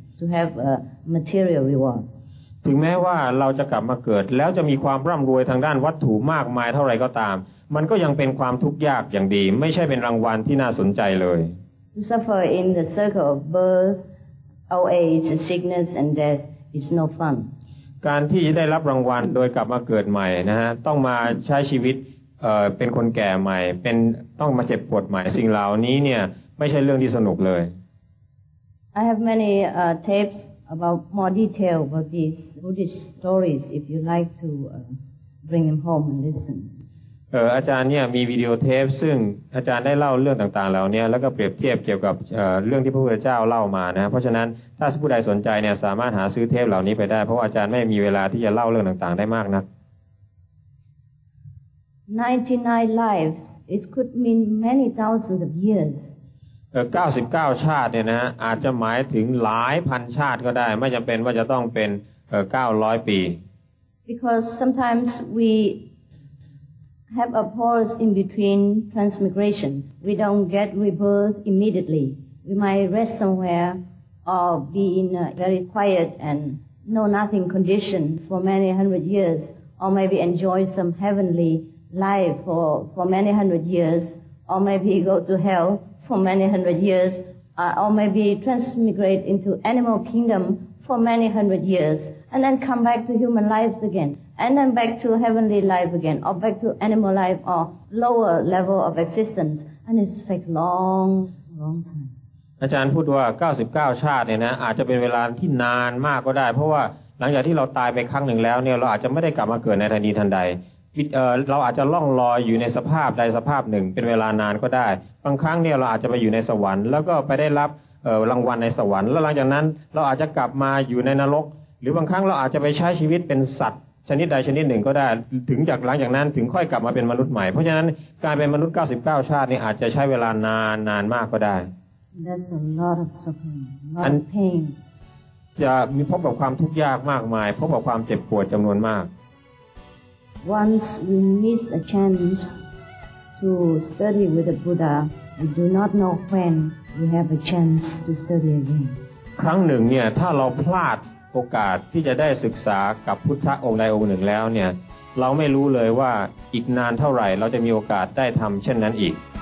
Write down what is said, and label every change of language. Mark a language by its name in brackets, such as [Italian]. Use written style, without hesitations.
[English] to have a material reward [Thai] ถึงแม้ว่าเราจะกลับมาเกิดแล้วจะมีความร่ำรวยทางด้านวัตถุมากมายเท่าไรก็ตามมันก็ยังเป็นความทุกข์ยากอย่างดีไม่ใช่เป็นรางวัลที่น่าสนใจเลย [English] to suffer in the circle of birth old age sickness and death is no fun [Thai] การที่จะได้รับรางวัลโดยกลับมาเกิดใหม่นะฮะต้องมาใช้ชีวิตเป็นคนแก่ใหม่เป็นต้องมาเจ็บปวดใหม่สิ่งเหล่านี้เนี่ยไม่ใช่เรื่องที่สนุกเลย [English] I have many tapes about more detail about these Buddhist stories if you like to bring them home and listen [Thai] อาจารย์เนี่ยมีวิดีโอเทปซึ่งอาจารย์ได้เล่าเรื่องต่างๆเหล่านี้แล้วก็เปรียบเทียบเกี่ยวกับเรื่องที่พระพุทธเจ้าเล่ามานะครับเพราะฉะนั้นถ้าผู้ใดสนใจเนี่ยสามารถหาซื้อเทปเหล่านี้ไปได้เพราะอาจารย์ไม่มีเวลาที่จะเล่าเรื่องต่างๆได้มากนัก [English] 99 lives it could mean many thousands of years [Thai] 99ชาติเนี่ยนะอาจจะหมายถึงหลายพันชาติก็ได้ไม่จำเป็นว่าจะต้องเป็น900ปี [English] because sometimes wehave a pause in between transmigration. We don't get rebirth immediately. We might rest somewhere or be in a very quiet and know-nothing condition for many hundred years or maybe enjoy some heavenly life for many hundred years or maybe go to hell for many hundred years or maybe transmigrate into animal kingdom for many hundred years and then come back to human lives again. And then back to heavenly life again, or back to animal life, or lower level of existence, and it takes long, long time. [Thai] อาจารย์พูดว่า99ชาติเนี่ยนะอาจจะเป็นเวลาที่นานมากก็ได้เพราะว่าหลังจากที่เราตายไปครั้งหนึ่งแล้วเนี่ยเราอาจจะไม่ได้กลับมาเกิดในทันทีทันใดเราอาจจะล่องลอยอยู่ในสภาพใดสภาพหนึ่งเป็นเวลานานก็ได้บางครั้งเนี่ยเราอาจจะไปอยู่ในสวรรค์แล้วก็ไปได้รับรางวัลในสวรรค์แล้วหลังจากนั้นเราอาจจะกลับมาอยู่ในนรกหรือบางครั้งเราอาจจะไปใช้ชีวิตเป็นสัตว์ชนิดใดชนิดหนึ่งก็ได้ถึงจากหลังจากนั้นถึงค่อยกลับมาเป็นมนุษย์ใหม่เพราะฉะนั้นการเป็นมนุษย์99ชาตินี่อาจจะใช้เวลานานนานมากก็ได้ [English] That's a lot of suffering, a lot of pain [Thai] จะมีพบกับความทุกข์ยากมากมายพบกับความเจ็บปวดจำนวนมาก [English] Once we miss a chance to study with the Buddha we do not know when we have a chance to study again [Thai] ครั้งหนึ่งเนี่ยถ้าเราพลาดโอกาสที่จะได้ศึกษากับพุทธะองค์ใดองค์หนึ่งแล้วเนี่ยเราไม่รู้เลยว่าอีกนานเท่าไหร่เราจะมีโอกาสได้ทำเช่นนั้นอีก